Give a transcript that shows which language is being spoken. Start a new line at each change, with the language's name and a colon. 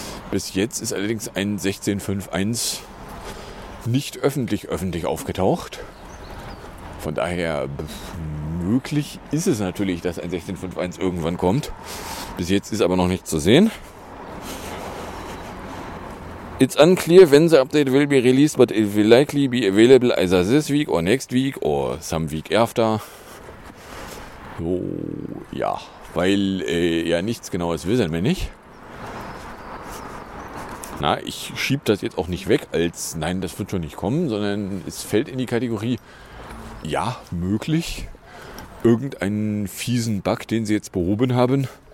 German: Bis jetzt ist allerdings ein 16.5.1 nicht öffentlich aufgetaucht. Von daher, möglich ist es natürlich, dass ein 16.5.1 irgendwann kommt. Bis jetzt ist aber noch nichts zu sehen.
English: It's unclear when the update will be released, but it will likely be available either this week or next week or some week after.
German: So, ja, weil ja nichts Genaues wissen wir nicht. Na, ich schieb das jetzt auch nicht weg als nein, das wird schon nicht kommen, sondern es fällt in die Kategorie ja, möglich. Irgendeinen fiesen Bug, den sie jetzt behoben haben.